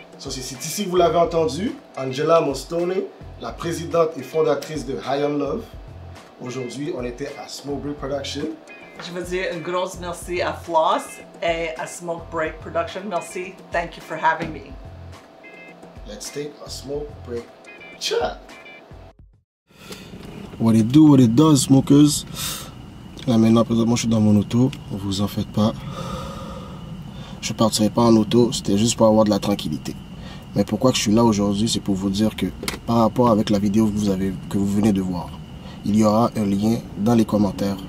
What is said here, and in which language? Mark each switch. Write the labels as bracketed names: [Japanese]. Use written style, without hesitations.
[French] So, c'est ici que vous l'avez entendu. Angela Mostone, la présidente et fondatrice de High on Love. Aujourd'hui, on était à Smoke Break Production. Je veux dire un gros merci à Floss et à Smoke Break Production. [English] Merci. Thank you for having me. Let's take a smoke break chat. What it do, what it does, smokers. [French] Là maintenant, présentement, je suis dans mon auto, vous en faites pas. Je partirai pas en auto, c'était juste pour avoir de la tranquillité. Mais pourquoi que je suis là aujourd'hui, c'est pour vous dire que par rapport avec la vidéo que vous venez de voir, il y aura un lien dans les commentaires.